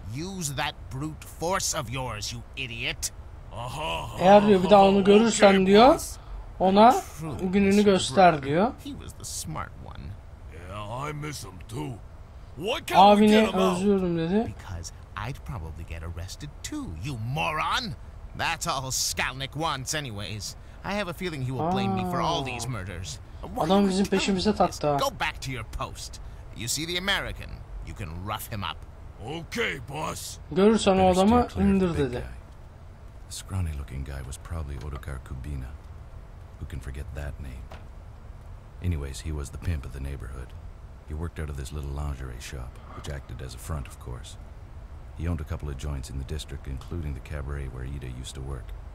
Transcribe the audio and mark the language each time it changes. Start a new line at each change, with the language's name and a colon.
English: Use that brute force of yours, you idiot. Aha.
Turkish: Eğer diyor, bir daha onu görürsen diyor, ona gününü göster diyor.
English: He was the smart one. Yeah, I miss him too.
Turkish: Abini özlüyorum dedi.
English: Because I'd probably get arrested too, you moron. That's all Skalnik wants anyways. I have a feeling he will blame me for all these murders.
Turkish: Adam bizim peşimize taktı.
English: Go back to your post. You see the American. You can rough him up. Okay, boss.
Turkish: Görürsen o adamı indir dedi.
English: The scrawny looking guy was probably Otokar Kubina. Who can forget that name? Anyways, he was the pimp of the neighborhood. He worked out of this little lingerie shop, which acted as a front, of course. He owned a couple of joints in the district, including the cabaret where Ida used to work.